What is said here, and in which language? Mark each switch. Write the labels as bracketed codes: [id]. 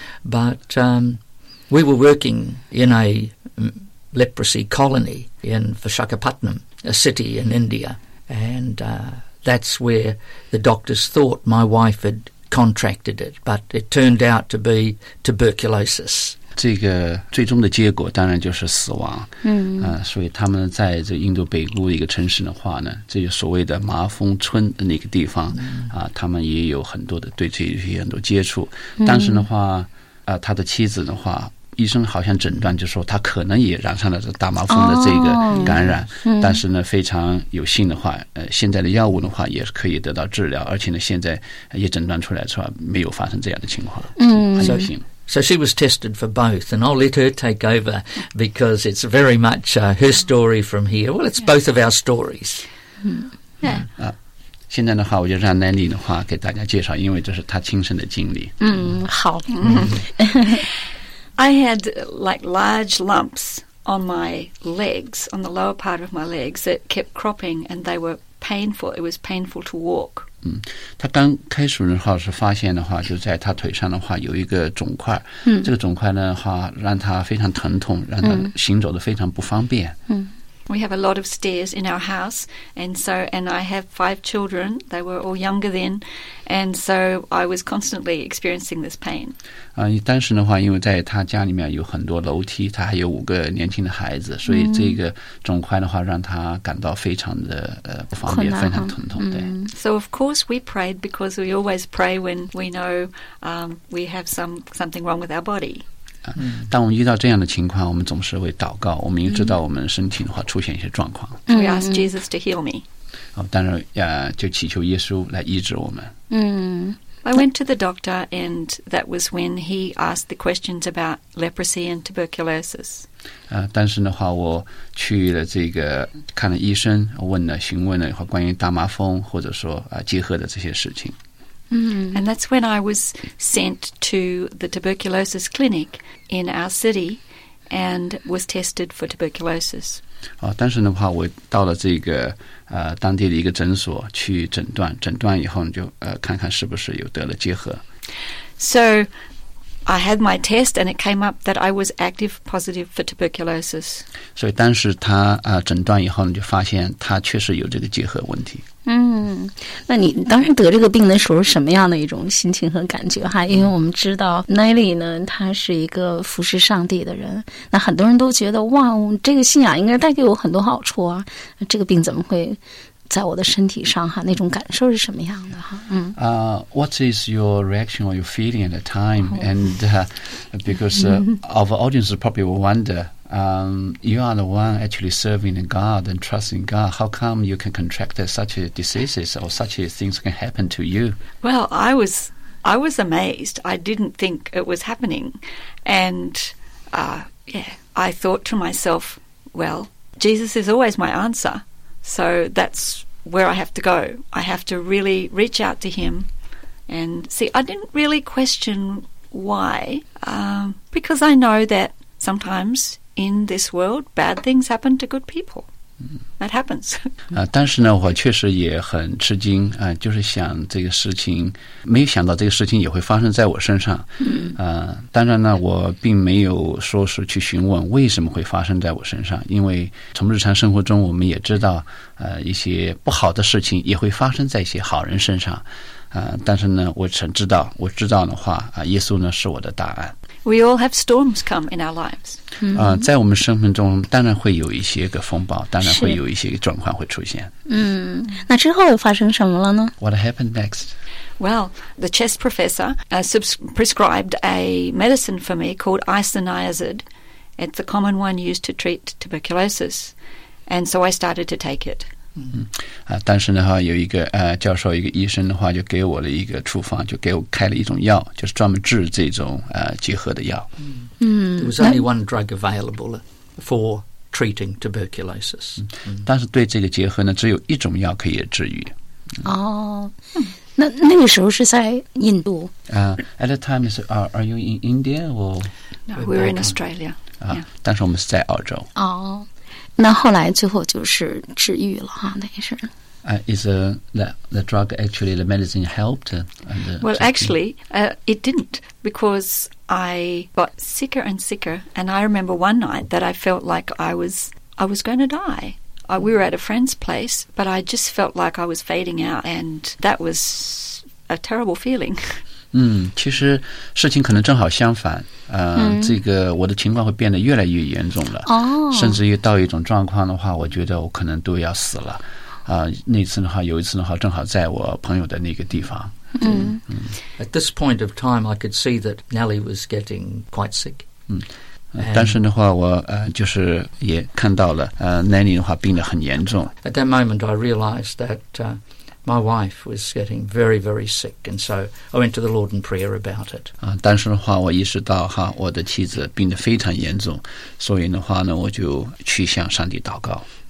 [en] But we were working in a leprosy colony in Vishakhapatnam, a city in India, and that's where the doctors thought my wife had contracted it, but it turned out to be tuberculosis. [zh] 这个最终的结果当然就是死亡。嗯，所以他们在这印度北部的一个城市的话呢，这就所谓的麻风村的那个地方，他们也有很多的对这些很多接触。当时的话，他的妻子的话，医生好像诊断就说他可能也染上了这大麻风的这个感染，但是呢非常有幸的话，现在的药物的话也是可以得到治疗，而且呢现在也诊断出来说没有发生这样的情况，很有幸。 [en] So she was tested for both, and I'll let her take over because it's very much her story from here. Well, it's both of our stories. [zh] 现在的话我就让 Nanny 的话给大家介绍，因为这是她亲身的经历。好。 [en] I had like large lumps on my legs, on the lower part of my legs, that kept cropping and they were painful. It was painful to walk. [zh] 他刚开始的话是发现的话就在他腿上的话有一个肿块。这个肿块的话让他非常疼痛，让他行走得非常不方便。 [en] We have a lot of stairs in our house, and I have 5 children. They were all younger then, and so I was constantly experiencing this pain. [zh] 当时的话，因为在他家里面有很多楼梯，他还有五个年轻的孩子，所以这个肿块的话让他感到非常的不方便，非常疼痛。对。 [en] So of course we prayed because we always pray when we know we have something wrong with our body. [zh] 当我们遇到这样的情况，我们总是会祷告，我们也知道我们身体的话出现一些状况。 [en] We ask Jesus to heal me. [zh] 当然就祈求耶稣来医治我们。 [en] I went to the doctor, and that was when he asked the questions about leprosy and tuberculosis. [zh] 但是的话，我去了这个看了医生，询问了以后关于大麻风或者说结核的这些事情。 [en] And that's when I was sent to the tuberculosis clinic in our city and was tested for tuberculosis. [zh] 当时的话我到了这个当地的一个诊所去诊断以后就看看是不是有得了结核。 [en] So I had my test and it came up that I was active positive for tuberculosis. [zh] 所以当时他诊断以后就发现他确实有这个结核问题。那你当时得这个病的时候什么样的一种心情和感觉哈？因为我们知道 Nelly 呢，他是一个服侍上帝的人，那很多人都觉得哇，这个信仰应该带给我很多好处啊，这个病怎么会在我的身体上哈？那种感受是什么样的哈？ [en] What is your reaction or your feeling at the time? And because our audience probably will wonder. You are the one actually serving God and trusting God. How come you can contract such diseases or such things can happen to you? Well, I was amazed. I didn't think it was happening. And I thought to myself, well, Jesus is always my answer. So that's where I have to go. I have to really reach out to him. And see, I didn't really question why, because I know that sometimes... In this world, bad things happen to good people. That happens. [zh] 但是呢，我确实也很吃惊啊，就是想这个事情，没有想到这个事情也会发生在我身上。当然呢，我并没有说是去询问为什么会发生在我身上，因为从日常生活中我们也知道，一些不好的事情也会发生在一些好人身上。但是呢，我知道的话啊，耶稣呢是我的答案。 [en] We all have storms come in our lives. [zh] 在我们生命中当然会有一些个风暴，当然会有一些个状况会出现。那之后又发生什么了呢？ [en] What happened next? Well, the chest professor prescribed a medicine for me called isoniazid. It's the common one used to treat tuberculosis. And so I started to take it. [zh] 当时的话有一个教授，一个医生的话就给我了一个处方，就给我开了一种药，就是专门治这种结核的药。 [en] There was only one drug available for treating tuberculosis. [zh] 但是对这个结核呢只有一种药可以治愈。那个时候是在印度。 [en] At the time, are you in India or? No, we're in Australia. [zh] 但是我们是在澳洲。那后来最后就是治愈了哈，那也是。 [en] Is the drug actually the medicine helped? Well, actually, it didn't because I got sicker and sicker. And I remember one night that I felt like I was going to die. We were at a friend's place, but I just felt like I was fading out, and that was a terrible feeling. [zh] 其实事情可能正好相反，这个我的情况会变得越来越严重了，甚至于到一种状况的话，我觉得我可能都要死了，那次的话，有一次的话，正好在我朋友的那个地方。 [en] At this point of time, I could see that Nellie was getting quite sick. [zh] 但是的话，我就是也看到了，Nellie 的话病得很严重。 [en] At that moment, I realized that my wife was getting very, very sick, and so I went to the Lord in prayer about it. [zh] 但是的话，我意识到哈，我的妻子病得非常严重，所以的话呢，我就去向上帝祷告。